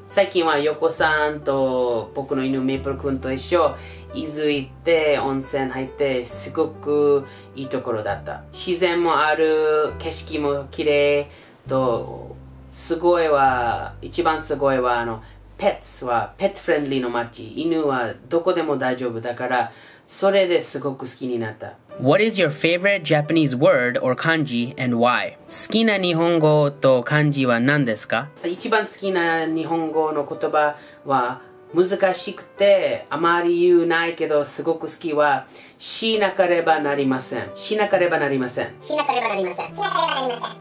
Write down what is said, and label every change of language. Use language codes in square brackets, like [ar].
[ja] 最近は横さんと僕の犬メープル君と一緒伊豆行って温泉入って、すごくいいところだった。自然もある、景色も綺麗と、すごいは一番すごいはペッツはペットフレンドリーの街、犬はどこでも大丈夫だから、それですごく好きになった。 [en] What is your favorite Japanese word or kanji and why? [ja] 好きな日本語と漢字は何ですか？一番好きな日本語の言葉は、難しくてあまり言うないけどすごく好きは、しなければなりません。しなければなりません。しなければなりません。しなければなりません。